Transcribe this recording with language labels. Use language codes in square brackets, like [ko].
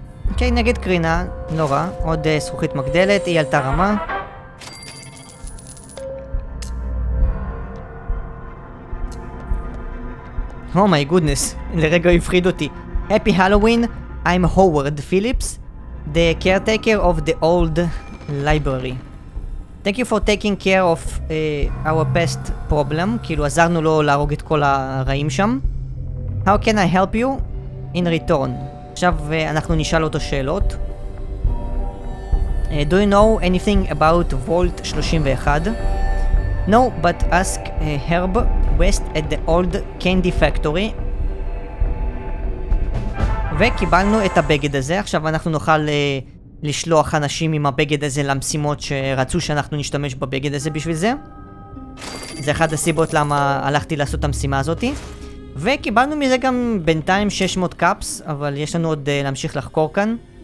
[he] אוקיי, נגד קרינה, לא רע, עוד זכוכית מגדלת, היא עלתה רמה. [en] Oh my goodness, [he] לרגע הפחיד אותי. [en] Happy Halloween, I'm Howard Phillips, the caretaker of the old library. Thank you for taking care of our pest problem, [he] כאילו עזרנו לו להרוג את כל הרעים שם. [en] How can I help you in return? [he] עכשיו אנחנו נשאל אותו שאלות. [en] Do you know anything about Vault 31? No, but ask Herb West at the old candy factory. [he] וקיבלנו את הבגד הזה, עכשיו אנחנו נוכל לשלוח אנשים עם הבגד הזה למשימות שרצו שאנחנו נשתמש בבגד הזה בשביל זה. זה אחד הסיבות למה הלכתי לעשות את המשימה הזאתי. וקיבלנו מזה גם בינתיים 600 קאפס, אבל יש לנו עוד להמשיך לחקור כאן.